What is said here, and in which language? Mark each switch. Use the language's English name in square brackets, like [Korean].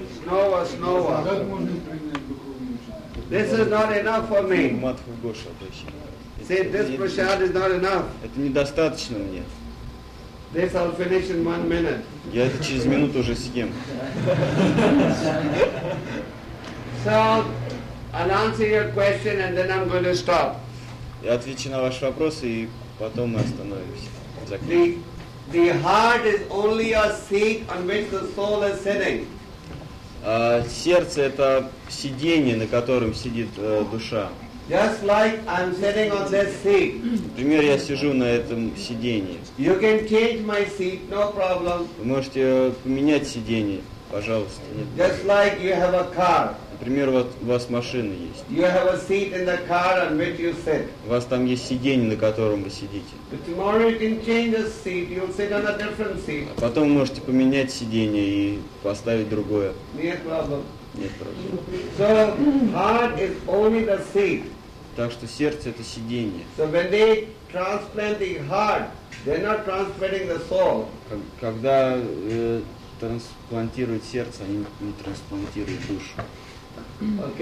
[Russian] Снова, снова. [English] This is not enough for me. [Russian] Матху Гоша обычно. [English] Say this prasad is not enough. [Russian] Это недостаточно мне. [English] This I'll finish in 1 minute. [Russian] Я это через минуту уже съем. [English] So, I'll answer your question and then I'm going to stop. [Russian] Я отвечу на ваши вопросы и потом мы остановимся. [English] The heart is only a seat on which the soul is sitting. [Russian] Сердце это сиденье, на котором сидит душа. [English] Just like I'm sitting on this seat. [Russian] Например, я сижу на этом сиденье. [English] You can change my seat, no problem. [Russian] Вы можете поменять сиденье, пожалуйста. [English] Just like you have a car. [Russian] Например, вот у вас машина есть. [English] You have a seat in the car on which you sit. [Russian] У вас там есть сиденье, на котором вы сидите. [English] But tomorrow you can change the seat. You'll sit on a different seat. [Russian] А потом вы можете поменять сиденье и поставить другое. Нет проблем. Нет проблем. [English] So heart is only the seat. [Russian] Так что сердце это сиденье. [English] So when they transplant the heart, they're not transplanting the soul. [Russian] Когда трансплантируют сердце, они не трансплантируют душу.